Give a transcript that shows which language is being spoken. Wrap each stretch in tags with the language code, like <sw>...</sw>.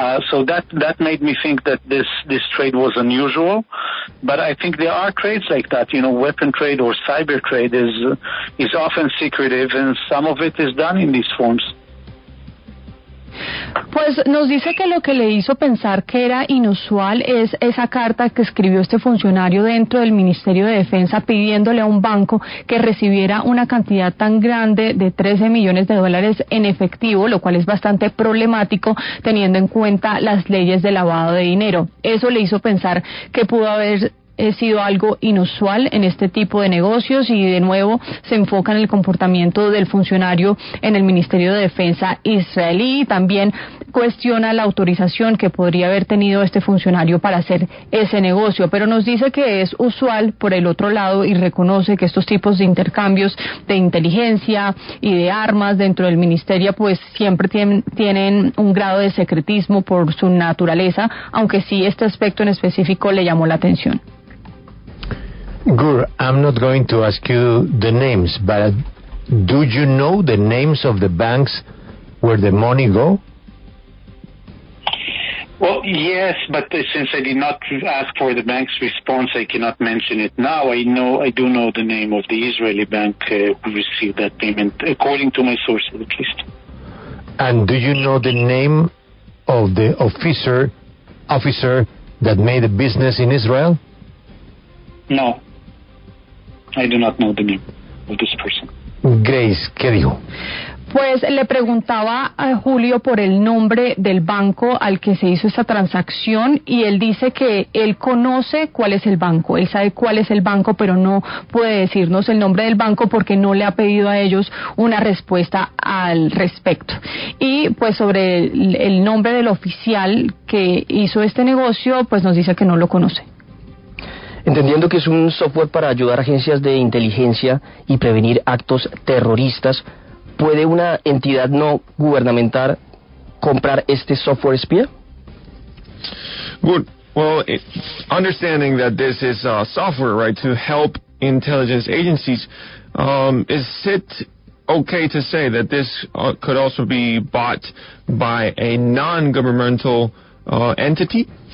<en>So that made me think that this trade was unusual. But I think there are trades like that. You know, weapon trade or cyber trade is often secretive, and some of it is done in these forms.</en> <es>Pues nos dice que lo que le hizo pensar que era inusual es esa carta que escribió este funcionario dentro del Ministerio de Defensa pidiéndole a un banco que recibiera una cantidad tan grande de 13 millones de dólares en efectivo, lo cual es bastante problemático teniendo en cuenta las leyes de lavado de dinero. Eso le hizo pensar que pudo haber sido algo inusual en este tipo de negocios, y de nuevo se enfoca en el comportamiento del funcionario en el Ministerio de Defensa israelí, y también cuestiona la autorización que podría haber tenido este funcionario para hacer ese negocio. Pero nos dice que es usual por el otro lado, y reconoce que estos tipos de intercambios de inteligencia y de armas dentro del ministerio pues siempre tienen un grado de secretismo por su naturaleza, aunque sí este aspecto en específico le llamó la atención.</es> <en>Gur, I'm not going to ask you the names, but do you know the names of the banks where the money go? Well, yes, but since I did not ask for the bank's response, I cannot mention it now. I do know the name of the Israeli bank who received that payment, according to my sources, at least. And do you know the name of the officer that made a business in Israel? No. I do not know the name of this person.</en> <es>Grace, ¿qué dijo? Pues le preguntaba a Julio por el nombre del banco al que se hizo esta transacción, y él dice que él conoce cuál es el banco, él sabe cuál es el banco, pero no puede decirnos el nombre del banco porque no le ha pedido a ellos una respuesta al respecto. Y pues sobre el nombre del oficial que hizo este negocio, pues nos dice que no lo conoce. Entendiendo que es un software para ayudar a agencias de inteligencia y prevenir actos terroristas, ¿puede una entidad no gubernamental comprar este software espía?</es> <en>Good. Well, understanding that this is software, right, to help intelligence agencies, is it okay to say that this could also be bought by a non-governmental entity?</en>